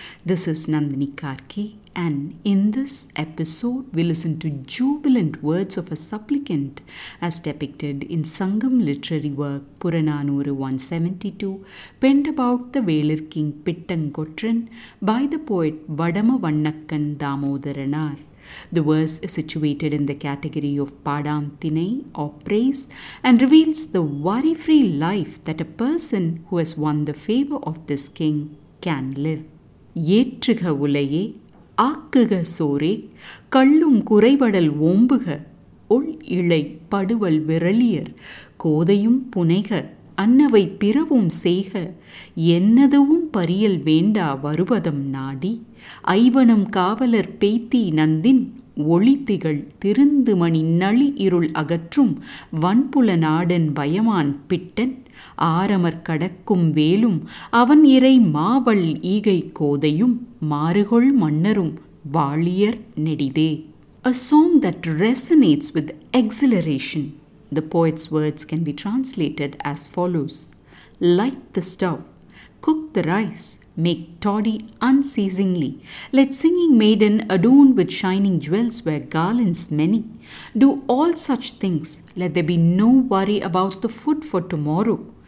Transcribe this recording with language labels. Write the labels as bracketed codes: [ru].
[en] This is Nandini Karki, and in this episode we listen to jubilant words of a supplicant as depicted in Sangam literary work Puranaanooru 172, penned about the Velir King Pittankotran by the poet Vadama Vannakkan Thamotharanaar. The verse is situated in the category of Paadaan Thinai or praise and reveals the worry-free life that a person who has won the favour of this king can live. [ta] ஏற்றுக உலையே, ஆக்குக சோரே, கள்ளும் குறைபடல் ஓம்புக, உள் இளை படுவல் விரலியர், கோதையும் புனைக, அன்னவை பிறவும் செய்க, என்னதுவும் பரியல் வேண்டா வருவதம் நாடி, ஐவனம் காவலர் பேத்தி நந்தின் ஒளித்திகள் திருந்து மணி நளி இருள் அகற்றும் வன்புல நாடன் பயமான் பிட்டன் ஆரமர் கடக்கும் வேலும் அவன் இறை மாவள் ஈகை கோதையும் மாறுகொள் மன்னரும் வாளியர் நெடிதே. [en] A song that resonates with exhilaration. The poet's words can be translated as follows. Light the stove, cook the rice, make toddy unceasingly. Let singing maiden adorn with shining jewels wear garlands many. Do all such things. Let there be no worry about the food for tomorrow.